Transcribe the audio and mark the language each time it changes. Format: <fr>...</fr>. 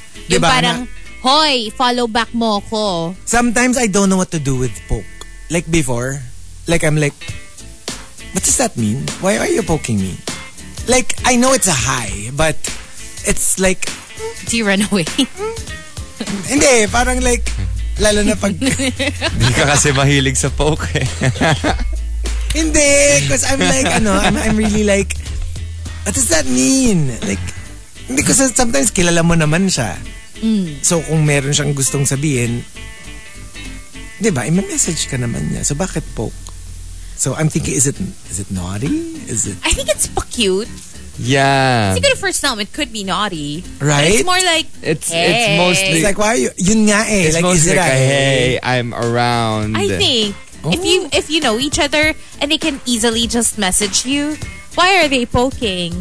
<tl>Yung parang, hoy, follow back mo ko.</tl> <en>Sometimes I don't know what to do with poke. Like before, like I'm like, what does that mean? Why are you poking me? Like, I know it's a hi, but it's like... Do you run away?</en> <tl>Hindi, parang like... Lalo na pag... Hindi ka kasi mahilig sa poke. Hindi,</tl> <en>because I'm like, ano, I'm really like, what does that mean? Like, because sometimes</en> <tl>kilala mo naman siya. Mm. So kung meron siyang gustong sabihin, di ba, i-message ka naman niya. So bakit poke?</tl> <en>So I'm thinking, is it naughty? Is it? I think it's cute. Yeah. It's a good first time. It could be naughty. Right? But it's more like, it's, hey. It's mostly... It's like, why are you...</en> <tl>Yun nga eh.</tl> <en>It's like, mostly is it like a hey, I'm around. I think. Oh. If you know each other and they can easily just message you, why are they poking?</en>